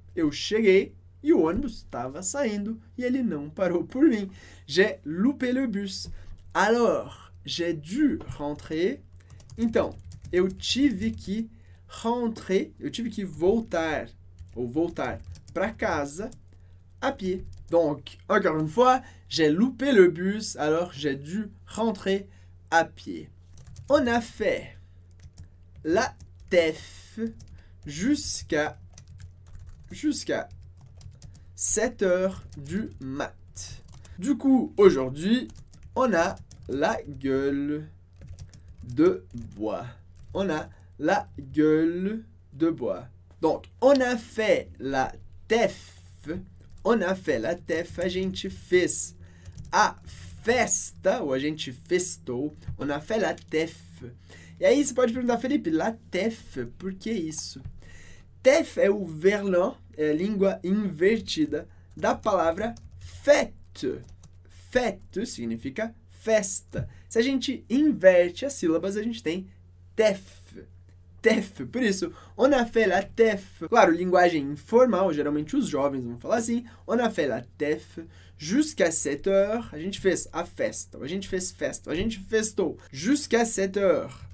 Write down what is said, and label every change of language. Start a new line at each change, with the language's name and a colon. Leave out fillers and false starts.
Portuguese: Eu cheguei e o ônibus estava saindo e ele não parou por mim.
French: J'ai loupé le bus. Alors, j'ai dû rentrer.
Portuguese: Então, eu tive que rentrer, eu tive que voltar, ou voltar para casa,
French: à pied. Donc, encore une fois, j'ai loupé le bus, alors j'ai dû rentrer à pied. On a fait la teuf jusqu'à 7 heures du mat. Du coup, aujourd'hui, on a la gueule de bois. On a la gueule de bois. Donc, on a fait la teuf. On a fait la teuf.
Portuguese: A gente fez a festa. Ou a gente festou.
French: On a fait la teuf.
Portuguese: E aí, você pode perguntar, Felipe, la teuf, por que isso? Teuf é o verlan, é a língua invertida da palavra fête. Fête significa festa. Se a gente inverte as sílabas, a gente tem teuf. Teuf. Por isso,
French: on a fait la teuf.
Portuguese: Claro, linguagem informal, geralmente os jovens vão falar assim.
French: On a fait la teuf jusqu'à 7 heures.
Portuguese: A gente fez a festa. A gente fez festa. A gente festou
French: jusqu'à 7 heures.